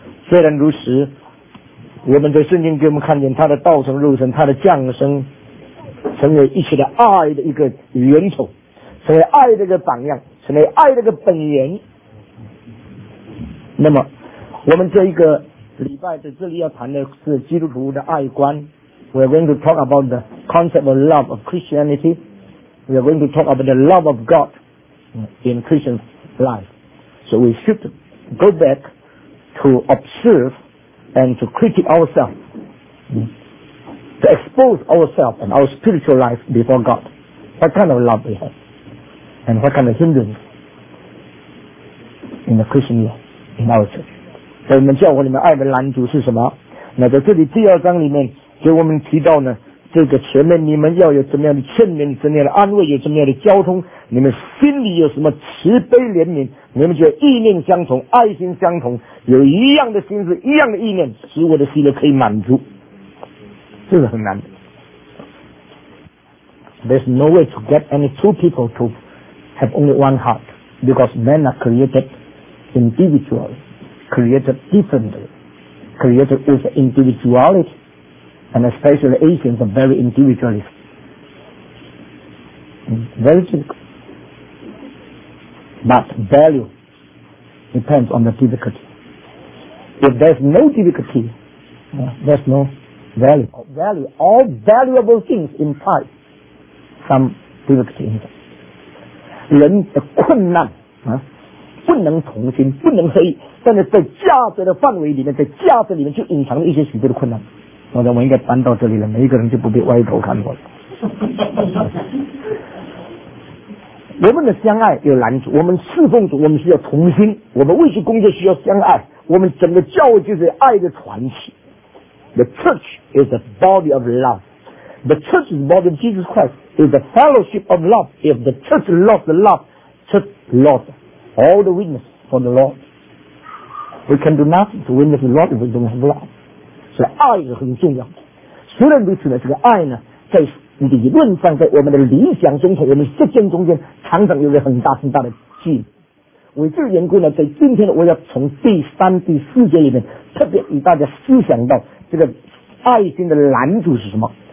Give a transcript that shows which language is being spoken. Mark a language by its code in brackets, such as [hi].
[zh] 虽然如此，我们在圣经给我们看见他的道成肉身，他的降生成为一切的爱的一个源头，成为爱的一个榜样，成为爱的一个本源。那么我们这一个礼拜在这里要谈的是基督徒的爱观。 [en] We are going to talk about the concept of love of Christianity. We are going to talk about the love of God in Christian life. So we should go back to observe and to critique ourselves, to expose ourselves and our spiritual life before God. What kind of love we have and what kind of hindrance in the Christian life, in our church. [zh] 在我们教会里面爱的拦阻是什么？那在这里第二章里面给我们提到呢，这个前面你们要有怎么样的劝勉，怎么样的安慰，有怎么样的交通，你们心里有什么慈悲怜悯，你们就意念相同，爱心相同，有一样的心思，一样的意念，使我的心里可以满足。这是很难的。 [en] There's no way to get any two people to have only one heart, because men are created individualcreated differently, created with individuality, and especially Asians are very individualist. Very difficult. But value depends on the difficulty. If there's no difficulty, there's no value. Value, all valuable things imply some difficulty in them. [zh] 人的困难不能同心，不能合一，但是在价值的范围里面，在价值里面就隐藏了一些许多的困难。我想我应该搬到这里了，每一个人就不必歪头看我了。我们的相爱有拦阻，我们侍奉主，我们需要同心，我们为主工作需要相爱，我们整个教会就是爱的传奇。 [en] The church is the body of love. The church is the body of Jesus Christ. Is the fellowship of love. If the church lost the love, church lost all the witness for the Lord. We can do nothing to win the Lord if we don't have love. [zh] 所以爱是很重要的。虽然如此呢，这个爱呢，在理论上，在我们的理想中和我们实践中间，常常有着很大很大的距离。为这个缘故呢，在今天呢，我要从第三、第四节里面，特别与大家思想到这个爱心的拦阻是什么。